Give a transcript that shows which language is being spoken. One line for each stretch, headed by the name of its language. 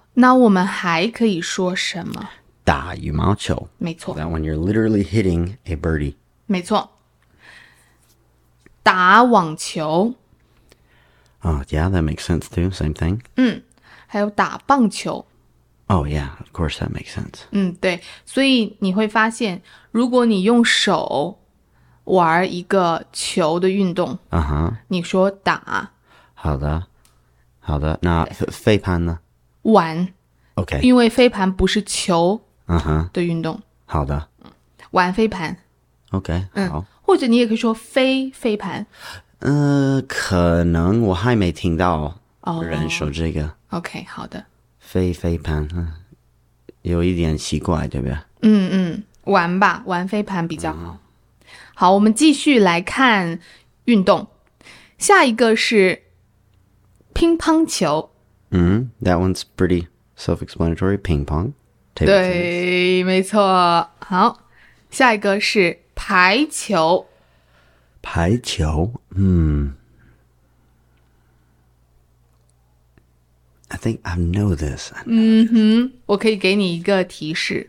Chinese: 那我们还可以说什么打羽毛球没错
English: That when you're literally hitting a birdie
Chinese: 没错打网球
English: Oh yeah, that makes sense too, same thing
Chinese: 嗯，还有打棒球
English: Oh, yeah, of course, that makes sense.
Chinese: 嗯，对，所以你会发现，如果你用手玩一个球的运动，嗯哼，你说打。好的，好的，那飞盘呢？玩。
English: OK.
Chinese: 因为飞盘不是球，嗯哼，的运动。好的。玩飞盘。 OK, 好。或者你也可以说飞飞盘。可能我还没听到人说这个。 OK, 好的。飞飞盘有一点奇怪对不对嗯嗯玩吧玩飞盘比较好、嗯、好我们继续来看运动下一个是乒乓球
English: 嗯 That one's pretty self-explanatory Ping pong
Chinese: 对没错好下一个是排球
English: 排球嗯I think I know this.
Chinese: 嗯哼，我可以给你一个提示。